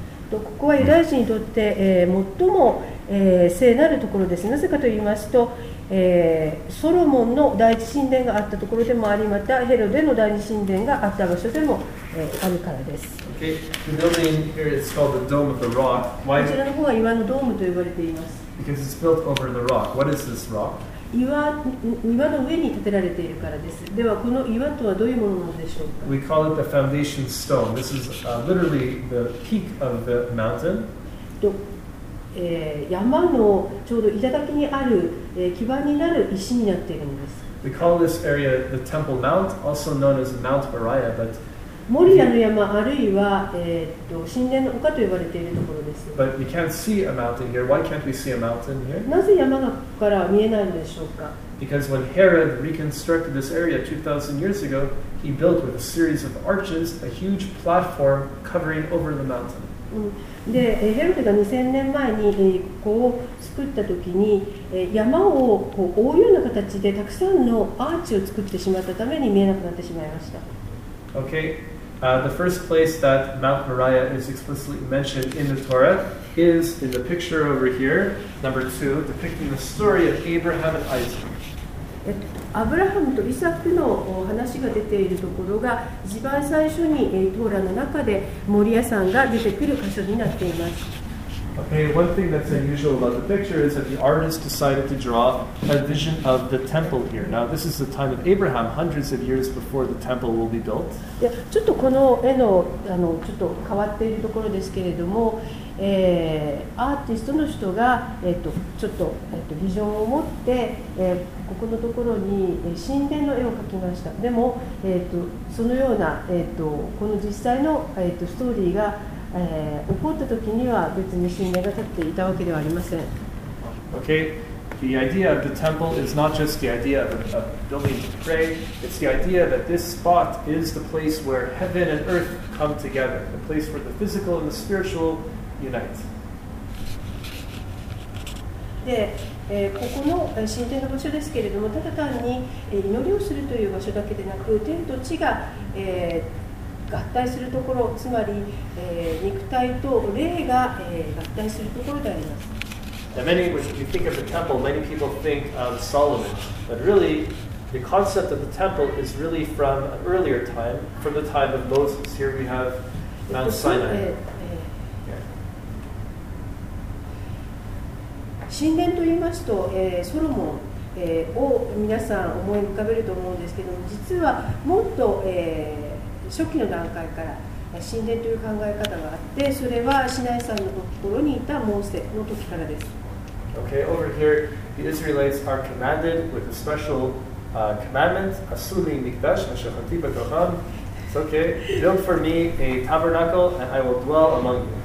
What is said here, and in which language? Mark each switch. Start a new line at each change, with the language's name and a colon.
Japanese: ここはユダヤ人にとって、最も、聖なるところです。なぜかと言いますと、ソロモンの第一神殿があったところでもあり、またヘロデの第二神殿があった場所でも、あるからです。
English: Okay. The building here is called the Dome of the Rock. Why?
Japanese: こちらの方は岩のドームと呼ばれています。
English: Because it's built over the rock. What is this rock?
Japanese: 岩の上に建てられているからです。ではこの岩とはどういうものなのでしょうか。
English: We call it the foundation stone. This is literally the peak of the mountain.
Japanese: 山のちょうど頂にある、基盤になる石になっているんです。
English: We call this area the Temple Mount, also known as Mount Moriah, but
Japanese: モリアの山あるいは、神殿の丘と呼ばれているところです。
English: But we can't see a mountain here. Why can't we see a mountain here?
Japanese: なぜ山がここから見えないんでしょうか。
English: Because when Herod reconstructed this area 2,000 years ago, he built with a series of arches a huge platform covering over the mountain.
Japanese: で、ヘロデが2000年前にここを作った時に山をこう覆うような形でたくさんのアーチを作ってしまったために見えなくなってしまいました。
English: Okay. The first place that Mount Moriah is explicitly mentioned in the Torah is in the picture over here, number 2, depicting the story of Abraham and Isaac.
Japanese: アブラハムとイサクの話が出ているところが一番最初にトーラの中でモリア山が出てくる箇所になっています。
English: Okay, one thing that's unusual about the picture is that the artist decided to draw a vision of the temple here. Now, this is the time of Abraham, hundreds of years before the temple will be built.
Japanese: ちょっとこの絵 の, あのちょっと変わっているところですけれども、アーティストの人が、ちょっと、ビジョンを持って、ここのところに神殿の絵を描きました。でも、そのような、この実際の、ストーリーが、起こったときには別に神殿が建っていたわけではありません。
English: OK, the idea of the temple is not just the idea of a building to pray, it's the idea that this spot is the place where heaven and earth come together, the place where the physical and the spiritual
Japanese: で、ここの神殿の場所ですけれども、ただ単に祈りをするという場所だけでなく、天と地が、合体するところ、つまり、肉体と霊が、合体するところであります。
English: many, if you think of the temple, many people think of Solomon. But really, the concept of the temple is really from an earlier time, from the time of Moses. Here we have Mount Sinai.
Japanese: 神殿と言いますと、ソロモン、を皆さん思い浮かべると思うんですけども、実はもっと、初期の段階から神殿という考え方があって、それはシナイ山のところにいたモーセの時からです。
English: Okay, over here, the Israelites are commanded with a special, commandment,
Hebrew: asuli mikdash, ashachati b'tocham.
English: It's okay. Build for me a tabernacle, and I will dwell among you.